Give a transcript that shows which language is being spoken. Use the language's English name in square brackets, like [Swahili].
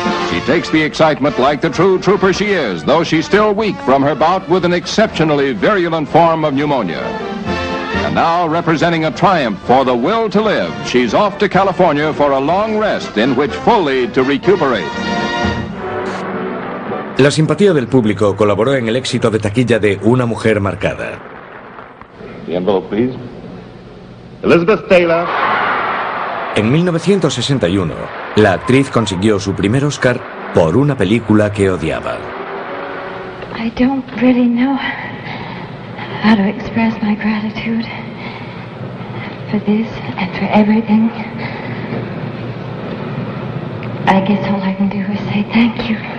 [English] She takes the excitement like the true trooper she is, though she's still weak from her bout with an exceptionally virulent form of pneumonia. And now, representing a triumph for the will to live, she's off to California for a long rest in which fully to recuperate. [Spanish] La simpatía del público colaboró en el éxito de taquilla de Una mujer marcada. [English] The envelope, please. Elizabeth Taylor. [Spanish] En 1961, la actriz consiguió su primer Oscar por una película que odiaba. [English] I don't really know how to express my gratitude for this and for everything. I guess all I can do is say thank you.